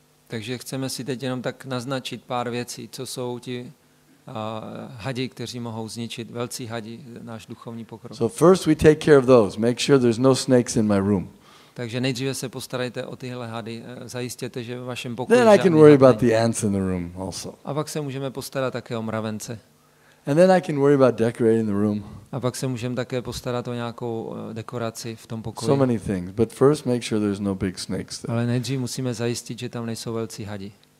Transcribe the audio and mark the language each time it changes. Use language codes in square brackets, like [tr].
[cs] Takže chceme si teď jenom tak naznačit pár věcí, co jsou ti hadi, kteří mohou zničit, velcí hadi, náš duchovní pokrok. [en] So first we take care of those, make sure there's no snakes in my room. [cs] Takže nejdříve se postarejte o tyhle hady, zajistěte, že v vašem pokoji. [en] Then I can worry about the ants in the room also. [cs] A pak se můžeme postarat také o mravence. [en] And then I can worry about decorating the room. [cs] A pak se můžeme také postarat o nějakou dekoraci v tom pokoji. [en] So many things, but first make sure there's no big snakes there. [cs] Ale nejdřív musíme zajistit, že tam nejsou velcí hadi.